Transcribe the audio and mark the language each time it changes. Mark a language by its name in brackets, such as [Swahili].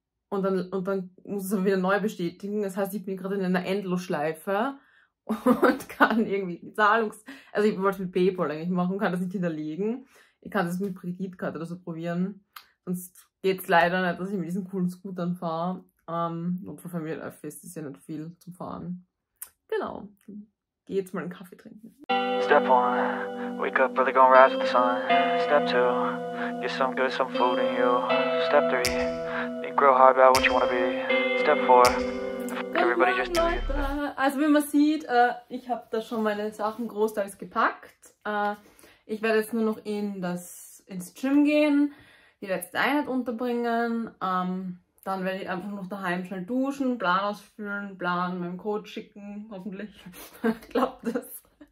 [German] Und dann muss es aber wieder neu bestätigen. Das heißt, ich bin gerade in einer Endlosschleife und kann irgendwie die Zahlungs-, also ich wollte es mit PayPal eigentlich machen, kann das nicht hinterlegen. Ich kann das mit Kreditkarte oder so probieren. Sonst geht's leider nicht, dass ich mit diesen coolen Scootern fahre. Notfallfamilie-Öffis ist ja nicht viel zum Fahren. Genau. Geh jetzt mal einen Kaffee trinken. [English] Step 1, wake up, really gonna rise with the sun. Step 2, get some good, some food in you. Step 3, think real hard about what you wanna be. Step 4, everybody just do it. [German] Also wie man sieht, ich habe da schon meine Sachen großteils gepackt. Ich werde jetzt nur noch ins Gym gehen, die letzte Einheit unterbringen. Dann werde ich einfach noch daheim schnell duschen, Plan ausfüllen, Plan meinem Coach schicken, hoffentlich. Klappt das.